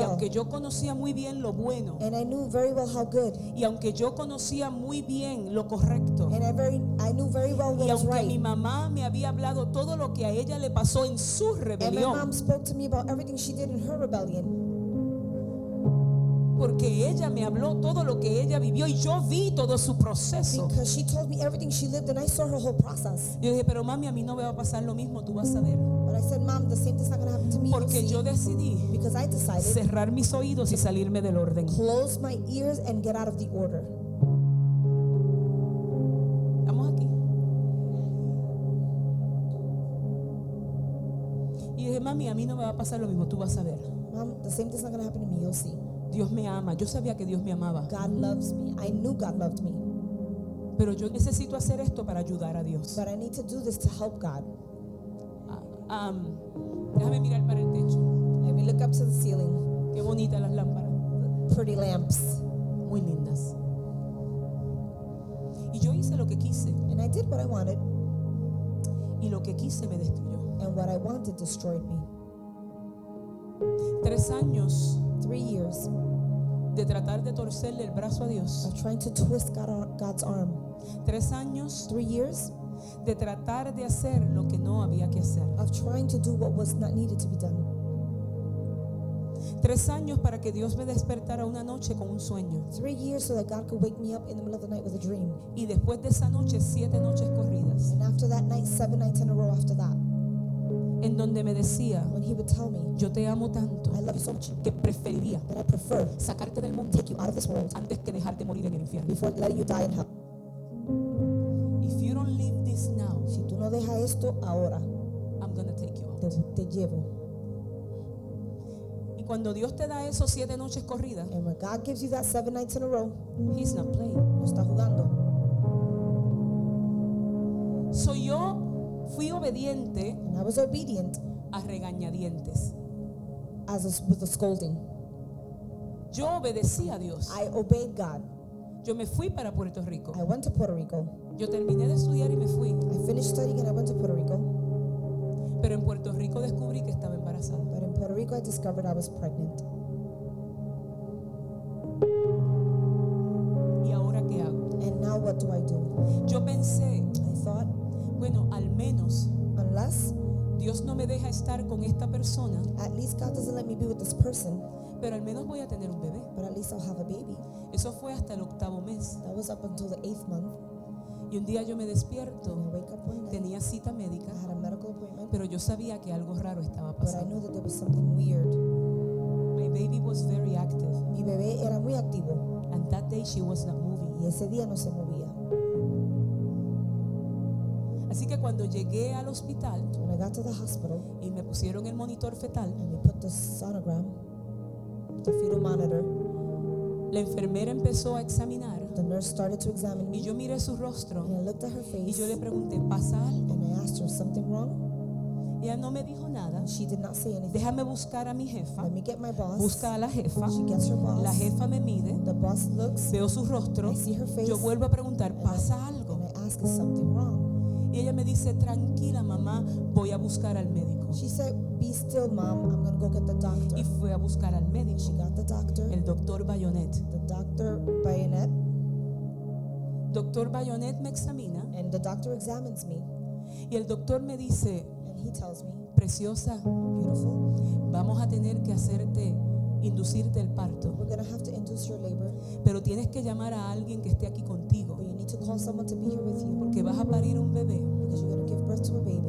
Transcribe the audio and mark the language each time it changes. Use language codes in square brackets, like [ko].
[es] y aunque yo conocía muy bien lo bueno, [en] and I knew very well how good, [es] y aunque yo conocía muy bien lo correcto, [en] and I knew very well what [es] y aunque [en] was right, [es] mi mamá me había hablado todo lo que a ella le pasó en su rebelión, [en] and my mom spoke to me about everything she did in her rebellion, [es] porque ella me habló todo lo que ella vivió y yo vi todo su proceso. [en] Because she told me everything she lived and I saw her whole process. [es] Yo dije, pero mami, a mí no me va a pasar lo mismo, tú vas a ver. [en] But I said, mom, the same thing's not going to happen to me. [es] Porque yo decidí, [en] because I decided, [es] cerrar mis oídos y salirme del orden. [en] Close my ears and get out of the order. [es] Estamos aquí. Y dije, mami, a mí no me va a pasar lo mismo, tú vas a ver. [en] Mom, the same thing's not going to happen to me, you'll see. [es] Dios me ama. Yo sabía que Dios me amaba. [en] God loves me. I knew God loved me. [es] Pero yo necesito hacer esto para ayudar a Dios. [en] But I need to do this to help God. [es] Déjame mirar para el techo. [en] Let me look up to the ceiling. [es] Qué bonitas las lámparas. [en] Pretty lamps. [es] Muy lindas. Y yo hice lo que quise. [en] And I did what I wanted. [es] Y lo que quise me destruyó. [en] And what I wanted destroyed me. [es] 3 años. [en] 3 years [es] de tratar de torcerle el brazo a Dios. [en] Of trying to twist God's arm. [es] 3 años. [en] 3 years [es] de tratar de hacer lo que no había que hacer. [en] Of trying to do what was not needed to be done. [es] 3 años para que Dios me despertara una noche con un sueño. [en] 3 years so that God could wake me up in the middle of the night with a dream. [es] Y después de esa noche, 7 noches corridas. [en] And after that night, 7 nights in a row after that. [es] En donde me decía, [en] when he would tell me, [es] yo te amo tanto, [en] I love so much, [es] que preferiría, [en] that I prefer, [es] sacarte del mundo, [en] take you out of this world, [es] antes que dejarte morir en el infierno, [en] before letting you die in hell. If you don't leave this now, [es] si tú no dejas esto ahora, [en] I'm gonna take you out. [es] Te llevo. Y cuando Dios te da eso siete noches corridas, [en] and when God gives you that seven nights in a row, He's not playing. [es] No está jugando. So yo fui obediente, [en] and I was obedient, [es] a regañadientes, [en] as a, with a scolding. [es] Yo obedecí a Dios. [en] I obeyed God. [es] Yo me fui para Puerto Rico. [en] I went to Puerto Rico. [es] Yo terminé de estudiar y me fui. [en] I finished studying and I went to Puerto Rico. [es] Pero en Puerto Rico descubrí que estaba embarazada. [en] But in Puerto Rico I discovered I was pregnant. [es] ¿Y ahora qué hago? [en] And now what do I do? [es] Yo pensé, [en] I thought, [es] bueno, al menos, [en] unless [es] Dios no me deja estar con esta persona, [en] at least God doesn't let me be with this person. [es] Pero al menos voy a tener un bebé. [en] But at least I'll have a baby. [es] Eso fue hasta el octavo mes. [en] That was up until the eighth month. [es] Y un día yo me despierto. [en] I wake up one night. [es] Tenía cita médica. [en] I had a medical appointment. [es] Pero yo sabía que algo raro estaba pasando. [en] But I knew that there was something weird. My baby was very active. [es] Mi bebé era muy activo. [en] And that day she was not moving. [es] Y ese día no se movía. Así que cuando llegué al hospital, [en] when I got to the hospital, [es] y me pusieron el monitor fetal, [en] and they put the sonogram, the fetal monitor, [es] la enfermera empezó a examinar, [en] the nurse started to examine me, [es] y yo miré su rostro, [en] and I looked at her face, [es] y yo le pregunté, ¿pasa algo? [en] And I asked her, something wrong? [es] Ella no me dijo nada. [en] She did not say anything. [es] Déjame buscar a mi jefa. [en] Let me get my boss. [es] Busca a la jefa. [en] She gets her boss. [es] La jefa me mide. [en] The boss looks. [es] Veo su rostro. [en] I see her face. [es] Yo vuelvo a preguntar, ¿pasa algo? [en] And I ask, is something wrong? [es] Y ella me dice, tranquila mamá, voy a buscar al médico. [en] She said, be still mom, I'm going to go get the doctor. [es] Y fue a buscar al médico. [en] She got the doctor. [es] El doctor Bayonet. [en] The doctor Bayonet. [es] Doctor Bayonet me examina. [en] And the doctor examines me. [es] Y el doctor me dice, [en] and he tells me, [es] preciosa, [en] beautiful, [es] vamos a tener que hacerte, inducirte el parto. [en] We're going to have to induce your labor. [es] Pero tienes que llamar a alguien que esté aquí contigo. [en] But you need to call someone to be here with you. [es] Porque vas a parir un bebé. [en] Because you're going to give birth to a baby.